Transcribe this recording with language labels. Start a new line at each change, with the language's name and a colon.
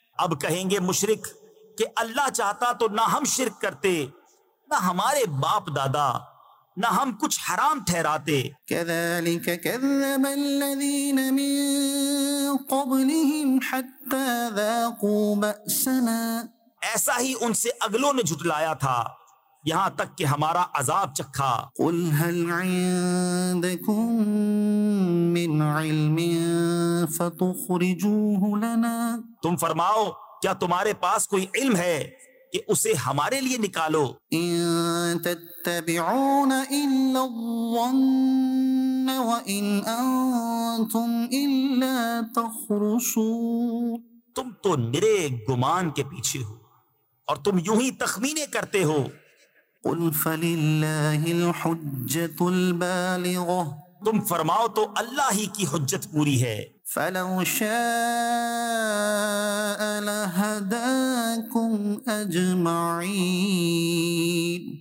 Urdu: اب کہیں گے مشرک کہ اللہ چاہتا تو نہ ہم شرک کرتے نہ ہمارے باپ دادا نہ ہم کچھ حرام ٹھہراتے
Arabic: كَذَلِكَ كَذَّبَ الَّذِينَ مِن قَبْلِهِمْ حَتَّى ذَاقُوا بَأْسَنَا
Urdu: ایسا ہی ان سے اگلوں نے جھٹلایا تھا یہاں تک کہ ہمارا عذاب چکھا۔
Arabic: قل هل عندكم من علم فتخرجوه لنا،
Urdu: تم فرماؤ کیا تمہارے پاس کوئی علم ہے کہ اسے ہمارے لیے نکالو۔
Arabic: ان تتبعون الا الظن وان انتم الا تخرصون،
Urdu: تم تو میرے گمان کے پیچھے ہو اور تم یوں ہی تخمینے کرتے ہو۔
Arabic: قل فللہ الحجت البالغہ،
Urdu: تم فرماؤ تو اللہ ہی کی حجت پوری ہے۔
Arabic: فلو شاء لہداکم اجمعین،